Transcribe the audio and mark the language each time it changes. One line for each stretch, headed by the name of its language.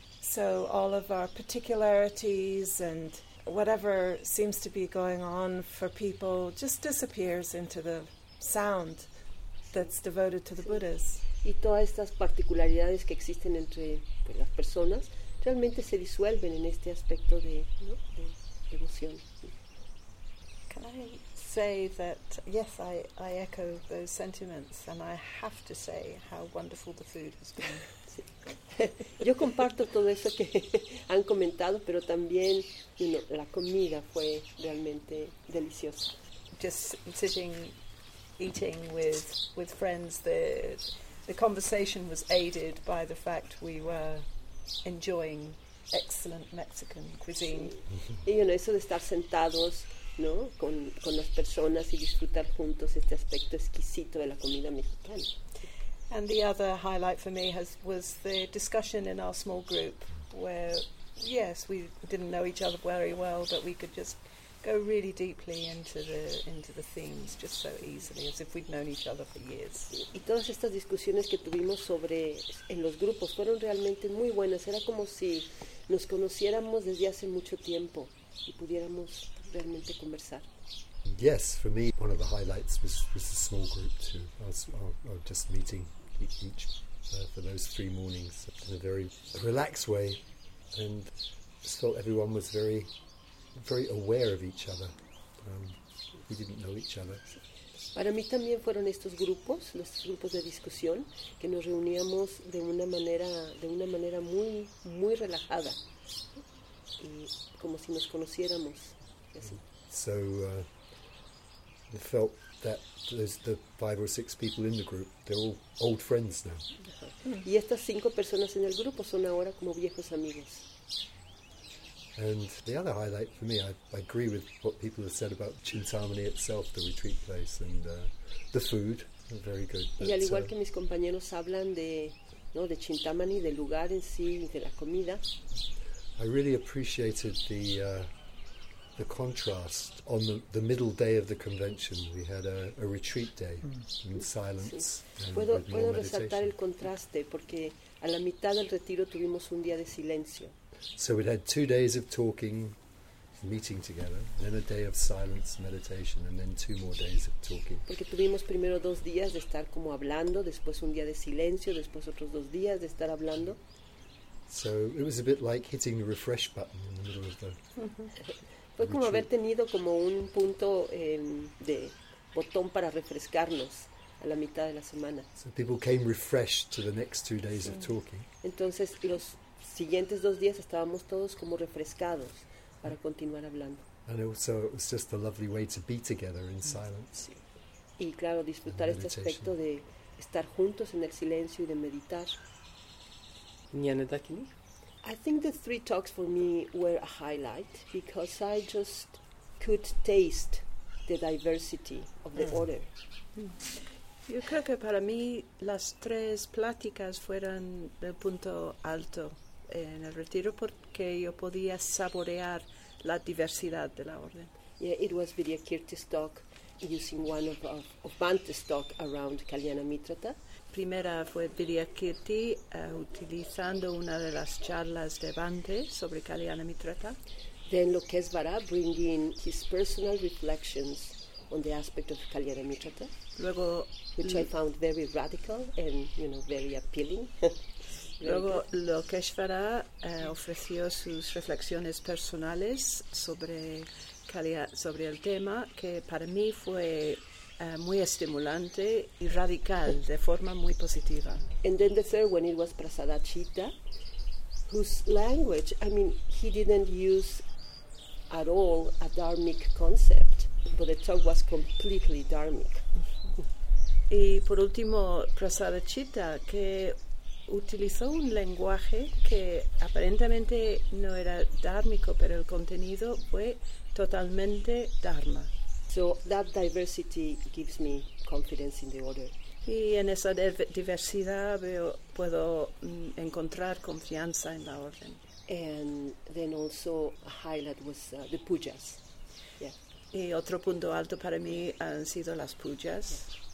English: So all of our particularities and whatever seems to be going on for people just disappears into the sound that's devoted to the Buddhas.
Spanish: Y todas estas particularidades que existen entre las personas realmente se disuelven en este aspecto de devoción.
English: I say that, yes, I echo those sentiments, and I have to say how wonderful the food has been.
Spanish: Sí. Yo comparto todo eso que han comentado, pero también,
English: you know,
Spanish: la comida fue realmente deliciosa.
English: Just sitting, eating with friends, the conversation was aided by the fact we were enjoying excellent Mexican cuisine.
Spanish: Sí. Y,
English: you know,
Spanish: eso de estar sentados, ¿no?, con las personas y disfrutar juntos este aspecto exquisito de la comida mexicana.
English: And the other highlight for me was the discussion in our small group, where, yes, we didn't know each other very well, but we could just go really deeply into the themes just so easily, as if we'd known each other for years.
Spanish: Y todas estas discusiones que tuvimos sobre en los grupos fueron realmente muy buenas. Era como si nos conociéramos desde hace mucho tiempo y pudiéramos realmente conversar.
English: Yes, for me, one of the highlights was the small group too. I was just meeting each for those 3 mornings in a very relaxed way, and just felt everyone was very, very aware of each other. We didn't know each other.
Spanish: Para mí también fueron estos grupos, los grupos de discusión, que nos reuníamos de una manera muy, muy relajada, y como si nos conociéramos. Así.
English: So, I felt that there's the five or six people in the group, they're all old friends now.
Spanish: Y estas cinco personas en el grupo son ahora como viejos amigos.
English: And the other highlight for me, I agree with what people have said about Chintamani itself, the retreat place, and the food, very good.
Spanish: Y al igual que mis compañeros hablan de, ¿no?, de Chintamani, del lugar en sí, de la comida.
English: I really appreciated the contrast on the middle day of the convention. We had a retreat day in silence.
Spanish: Sí. Puedo resaltar el contraste porque a la mitad del retiro tuvimos un día de silencio.
English: So we'd had 2 days of talking, meeting together, then a day of silence, meditation, and then 2 more days of talking.
Spanish: Porque tuvimos primero 2 días de estar como hablando, después un día de silencio, después otros 2 días de estar hablando.
English: So it was a bit like hitting the refresh button in the middle of the
Spanish: fue como haber tenido como un punto de botón para refrescarnos a la mitad de la semana.
English: So people came refreshed to the next 2 days of talking.
Spanish: Entonces los siguientes 2 días estábamos todos como refrescados para continuar hablando.
English: And also it was just a lovely way to be together in silence.
Spanish: Sí. Y claro, disfrutar este aspecto de estar juntos en el silencio y de meditar.
English: I think the 3 talks for me were a highlight because I just could taste the diversity of the order.
Spanish: Yo creo que para mí las 3 pláticas fueron el punto alto en el retiro porque yo podía saborear la diversidad de la orden.
English: Yeah, it was Vidyakirti's talk using one of Bhante's talk around Kalyanamitrata.
Spanish: Primera fue Vidyakirti utilizando una de las charlas de Bhante sobre Kalyanamitrata.
English: Then Lokeshvara bringing his personal reflections on the aspect of Kalyanamitrata.
Spanish: Luego,
English: which I found very radical and, you know, very appealing.
Spanish: Luego Lokeshvara ofreció sus reflexiones personales sobre el tema, que para mí fue muy estimulante y radical de forma muy positiva.
English: And then the third one, it was Prasadachitta, whose language, I mean, he didn't use at all a dharmic concept, but the talk was completely dharmic.
Spanish: Y por último, Prasadachitta, que utilizó un lenguaje que aparentemente no era dármico, pero el contenido fue totalmente dharma.
English: So that diversity gives me confidence in the order.
Spanish: Y en esa diversidad puedo encontrar confianza en la orden.
English: And then also a highlight was the pujas.
Spanish: Y otro punto alto para mí han sido las pujas.